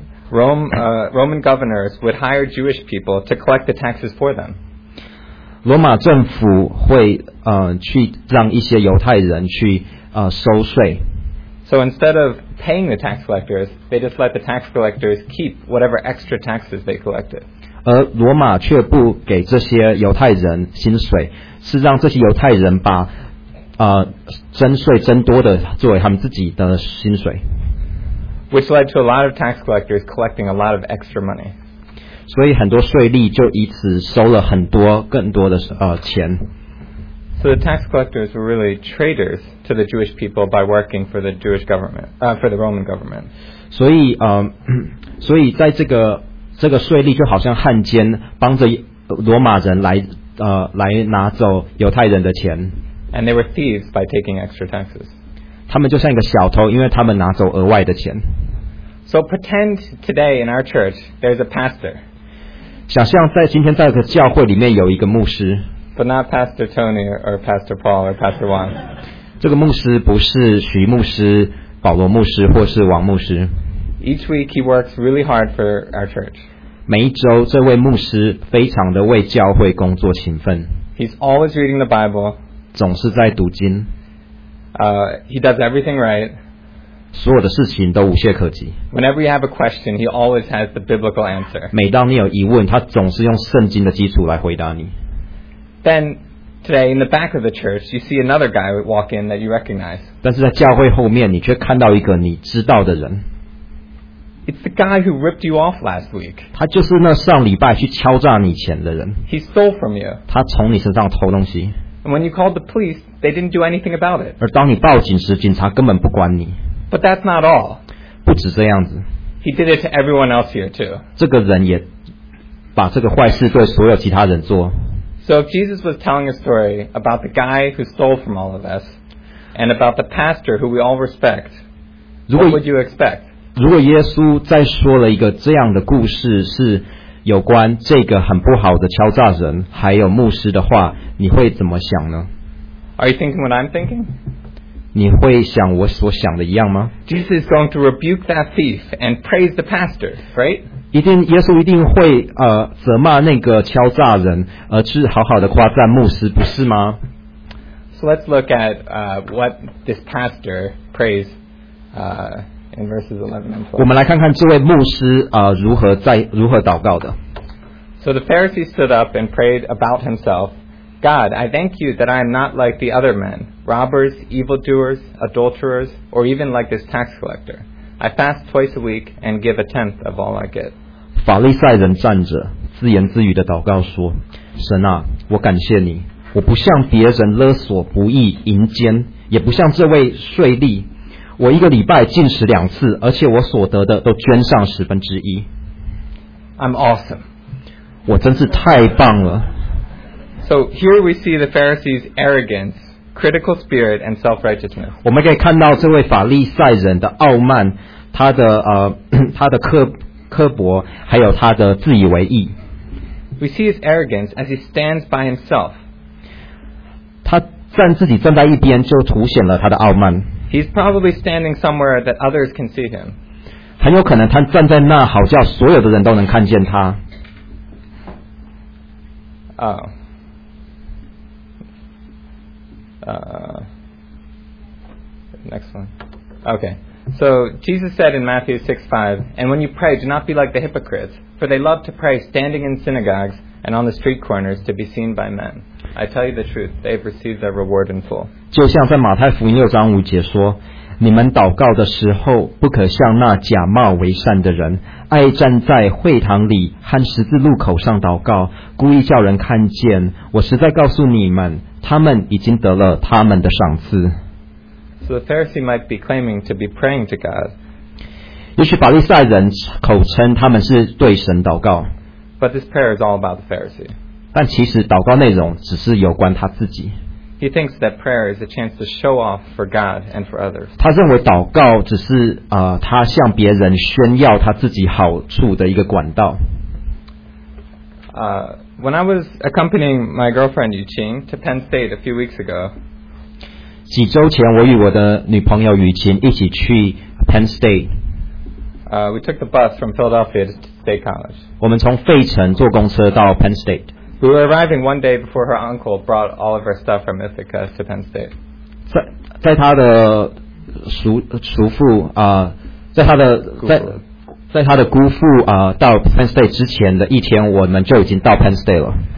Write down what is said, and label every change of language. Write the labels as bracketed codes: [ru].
[en] Roman governors would hire Jewish people to collect the taxes for them. [zh] 罗马政府会去让一些犹太人去收税。 [en] So instead of paying the tax collectors, they just let the tax collectors keep whatever extra taxes they collected. [zh] 而罗马却不给这些犹太人薪水，是让这些犹太人把征税增多的作为他们自己的薪水。 [en] Which led to a lot of tax collectors collecting a lot of extra money. [zh] 所以很多税吏就以此收了很多更多的钱。 [en] So the tax collectors were really traitors to the Jewish people by working for the Jewish government, for the Roman government. [zh] 所以在这个税吏就好像汉奸，帮着罗马人来拿走犹太人的钱。 [en] And they were thieves by taking extra taxes. [zh] 他们就像一个小偷，因为他们拿走额外的钱。 [en] So pretend today in our church there's a pastor. [zh] 想象在今天在这个教会里面有一个牧师。 [en] But not Pastor Tony or Pastor Paul or Pastor Juan. [zh] 这个牧师不是徐牧师、保罗牧师或是王牧师。 [en] Each week he works really hard for our church. [zh] 每一周这位牧师非常的为教会工作勤奋。 [en] He's always reading the Bible. [zh] 总是在读经。 [en] He does everything right. [zh] 所有的事情都无懈可击。 [en] Whenever you have a question, he always has the biblical answer. [zh] 每当你有疑问，他总是用圣经的基础来回答你。 [en] Then, today, in the back of the church, you see another guy walk in that you recognize. [zh] 但是在教会后面，你却看到一个你知道的人。 [en] It's the guy who ripped you off last week. [zh] 他就是那上礼拜去敲诈你钱的人。 [en] He stole from you. [zh] 他从你身上偷东西。 [en] And when you called the police, they didn't do anything about it. [zh] 而当你报警时，警察根本不管你。 [en] But that's not all. [zh] 不止这样子。 [en] He did it to everyone else here too. [zh] 这个人也把这个坏事对所有其他人做。 [en] So if Jesus was telling a story about the guy who stole from all of us, and about the pastor who we all respect, what would you expect? [zh] 如果耶稣再说了一个这样的故事，是有关这个很不好的敲诈人，还有牧师的话，你会怎么想呢？ [en] Are you thinking what I'm thinking? [zh] 你会想我所想的一样吗？ [en] Jesus is going to rebuke that thief and praise the pastor, right? [zh] 一定，耶稣一定会责骂那个敲诈人，而是好好的夸赞牧师，不是吗？ [en] So let's look at what this pastor prays in verses 11 and 12. [zh] 我们来看看这位牧师如何祷告的。 [en] So the Pharisee stood up and prayed about himself. God, I thank you that I am not like the other men, robbers, evildoers, adulterers, or even like this tax collector. I fast twice a week and give a tenth of all I get. [zh] 法利赛人站着，自言自语的祷告说：神啊，我感谢你，我不向别人勒索、不义、淫奸，也不向这位税吏。我一个礼拜禁食两次，而且我所得的都捐上十分之一。 [en] I'm awesome. [zh] 我真是太棒了。 [en] So here we see the Pharisees' arrogance, critical spirit, and self-righteousness. [zh] 我们可以看到这位法利赛人的傲慢，他的刻薄，还有他的自以为意。 [en] We see his arrogance as he stands by himself. [zh] 他站在一边，就凸显了他的傲慢。 [en] He's probably standing somewhere that others can see him. [zh] 很有可能他站在那，好叫所有的人都能看见他。 [en] Next one. Okay. So Jesus said in Matthew 6:5, "And when you pray, do not be like the hypocrites, for they love to pray standing in synagogues and on the street corners to be seen by men." I tell you the truth, they've received their reward in full. [zh] 就像在马太福音六章五节说，你们祷告的时候，不可像那假冒为善的人，爱站在会堂里和十字路口上祷告，故意叫人看见。我实在告诉你们，他们已经得了他们的赏赐。 [en] So the Pharisee might be claiming to be praying to God. [zh] 也许法利赛人口称他们是对神祷告。 [en] But this prayer is all about the Pharisee. [zh] 但其实祷告内容只是有关他自己。 [en] He thinks that prayer is a chance to show off for God and for others. [zh] 他认为祷告只是他向别人炫耀他自己好处的一个管道。 [en] When I was accompanying my girlfriend Yuqing to Penn State a few weeks ago, [zh] 几周前我与我的女朋友雨晴一起去 Penn State. [en] We took the bus from Philadelphia to State College. [zh] 我们从费城坐公车到 Penn State. [en] We were arriving one day before her uncle brought all of her stuff from Ithaca to Penn State. [zh] 在他的叔父在他的姑父到 Penn State 之前的一天，我们就已经到 Penn State 了。